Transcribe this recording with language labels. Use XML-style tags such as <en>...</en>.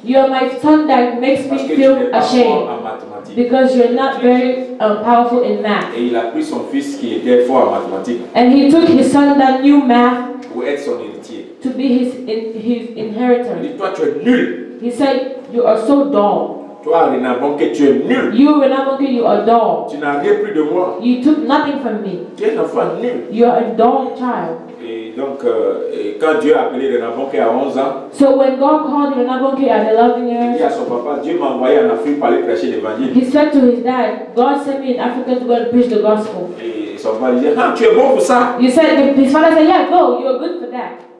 <en>You are my son that makes me feel ashamed. Because you're not very powerful in math.</en> <fr>Et il a pris son fils qui était fort en mathématiques.</fr> <en>And he took his son that knew math.</en> <fr>Pour être son héritier.</fr> <en>To be his inheritor.</en> <fr>Il dit, toi, tu es nul.</fr> <en>He said, you are so dull.</en> <fr>Toi, Rena Bonke, tu es nul.</fr> <en>You, Rena Bonke, you are dull.</en> <fr>Tu n'as rien pris de moi.</fr> <en>You took nothing from me.</en> <fr>Tu es un enfant nul.</fr> <en>You are a dull child.</en> <fr>Et donc, quand Dieu a appelé Rena Bonke à 11 ans,</fr> <en>so when God called Rena Bonke at 11 years,</en> <fr>il dit à son papa, Dieu m'a envoyé en Afrique pour aller prêcher l'évangile.</fr> <en>He said to his dad, God sent me in Africa to go and preach the gospel.</en> <fr>Et son papa lui dit, ah, tu es bon pour ça.</fr> <en>You said, his father said, yeah, go, you are good for that.</en>